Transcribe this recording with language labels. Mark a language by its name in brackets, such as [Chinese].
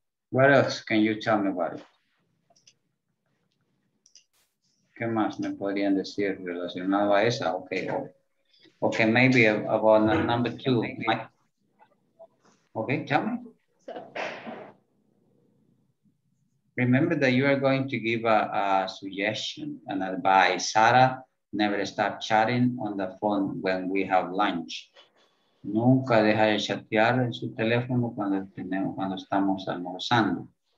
[English] What else can you tell me about it? [Spanish] ¿Qué más me podrían decir relacionado a esa? [English] Okay. Okay, maybe about number two. Okay, tell me. Remember that you are going to give a suggestion and advice. Sara, never stop chatting on the phone when we have lunch. [Spanish] Nunca deja de chatear en su teléfono cuando estamos almorzando.